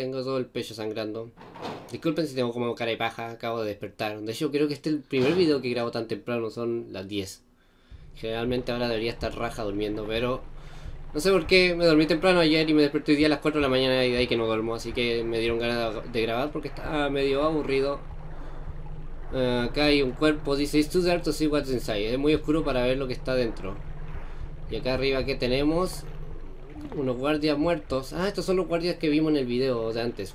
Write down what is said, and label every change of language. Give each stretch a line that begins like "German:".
Spanish: Tengo todo el pecho sangrando. Disculpen si tengo como cara de paja, acabo de despertar. De hecho, creo que este es el primer video que grabo tan temprano, son las 10. Generalmente ahora debería estar raja durmiendo, pero no sé por qué, me dormí temprano ayer y me desperté hoy día a las 4 de la mañana y de ahí que no duermo, así que me dieron ganas de grabar porque estaba medio aburrido. Acá hay un cuerpo, dice,
English: It's too dark to see what's inside.
Spanish: Es muy oscuro para ver lo que está dentro. Y acá arriba que tenemos unos guardias muertos. Ah, estos son los guardias que vimos en el video de antes.